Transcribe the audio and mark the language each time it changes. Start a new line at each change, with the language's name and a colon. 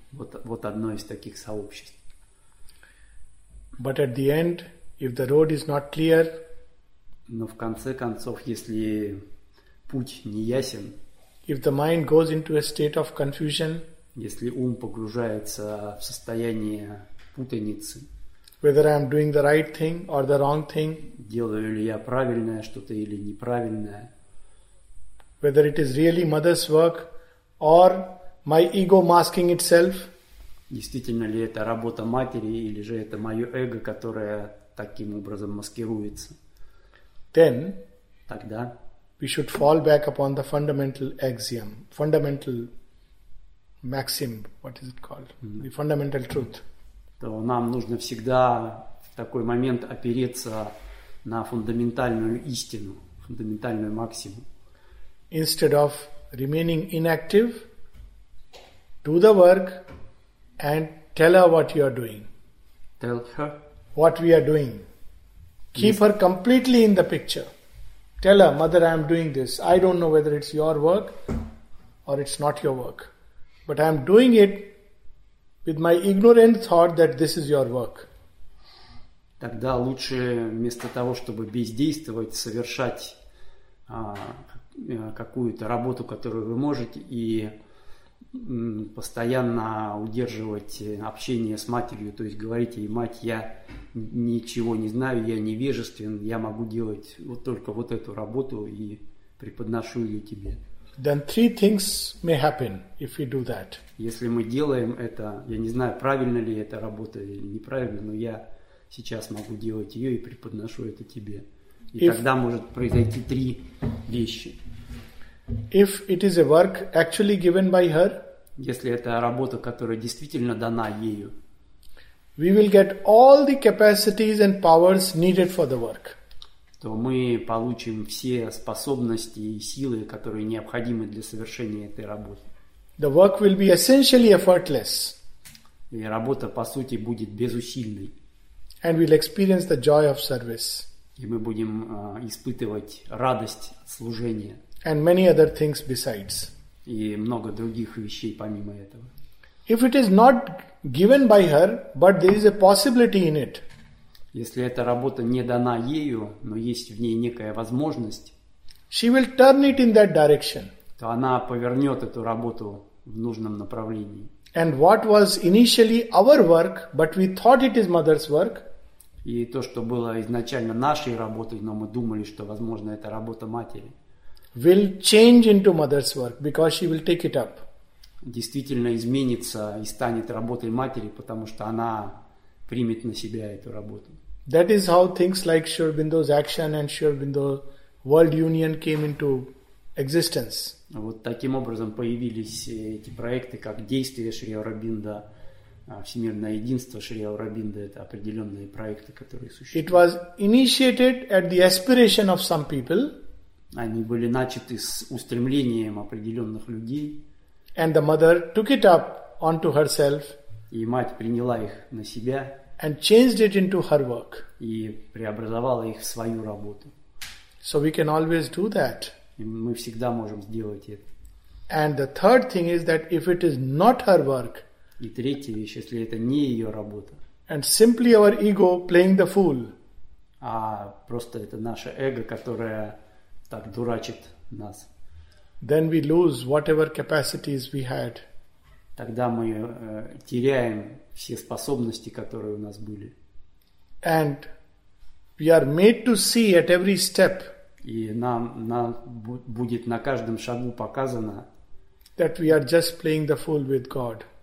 Russian: Вот одно из таких сообществ.
English: But at the end, if the road is not clear,
Russian: но в конце концов, если путь не ясен,
English: if the mind goes into a state of confusion,
Russian: если ум погружается в состояние путаницы,
English: whether I am doing the right thing or the wrong thing.
Russian: Делаю ли я правильное что-то или неправильное.
English: Whether it is really mother's work or my ego masking itself.
Russian: Действительно ли это работа матери или же это мое эго, которое таким образом маскируется.
English: Then,
Russian: тогда,
English: we should fall back upon the fundamental axiom, fundamental maxim, what is it called? The fundamental truth.
Russian: То нам нужно всегда в такой момент опереться на фундаментальную истину, фундаментальную максиму.
English: Instead of remaining inactive, do the work and tell her what you are doing. Tell her what we are doing. Keep her completely in the picture. Tell her, mother, I am doing this. I don't know whether it's your work or it's not your work. But I am doing it with my ignorant thought that this is your work.
Russian: Тогда лучше вместо того, чтобы бездействовать, совершать какую-то работу, которую вы можете, и постоянно удерживать общение с матерью, то есть говорить ей: мать, я ничего не знаю, я невежествен, я могу делать вот только вот эту работу и преподношу ее тебе.
English: Then three things may happen if we do that.
Russian: Если мы делаем это, я не знаю, правильно ли это работа или неправильно, но я сейчас могу делать ее и преподношу это тебе. И тогда может произойти три вещи.
English: If it is a work actually given by her,
Russian: если это работа, которая действительно дана ею,
English: we will get all the capacities and powers needed for the work.
Russian: То мы получим все способности и силы, которые необходимы для совершения этой работы.
English: The work will be essentially effortless.
Russian: И работа, по сути, будет безусильной.
English: And we'll experience the joy of service.
Russian: И мы будем испытывать радость служения.
English: And many other things besides.
Russian: И много других вещей помимо этого.
English: If it is not given by her, but there is a possibility in it.
Russian: Если эта работа не дана ею, но есть в ней некая возможность.
English: She will turn it in that direction.
Russian: То она повернет эту работу в нужном направлении.
English: And what was initially our work, but we thought it is mother's work.
Russian: И то, что было изначально нашей работой, но мы думали, что, возможно, это работа матери.
English: Will change into mother's work because she will take it up.
Russian: Действительно изменится и станет работой матери, потому что она примет на себя эту работу.
English: That is how things like Sri Aurobindo's action and Sri Aurobindo World Union came into existence.
Russian: Вот таким образом появились эти проекты, как действия Шри Аурабинда, всемирное единство Шри Аурабинда. Это определенные проекты, которые существуют.
English: It was initiated at the aspiration of some people.
Russian: Они были начаты с устремлением определенных людей.
English: And the mother took it up onto herself.
Russian: И мать приняла их на себя.
English: And changed it into her work.
Russian: И преобразовала их в свою работу.
English: So we can always do that.
Russian: И мы всегда можем сделать это.
English: And the third thing is that if it is not her work.
Russian: И третья вещь, если это не ее работа.
English: And simply our ego playing the fool.
Russian: А просто это наше эго, которое так дурачит нас.
English: Then we lose whatever capacities we had.
Russian: Тогда мы теряем все способности, которые у нас были.
English: And we are made to see at every step.
Russian: И нам будет на каждом шагу показано,
English: that we are just playing the fool with God.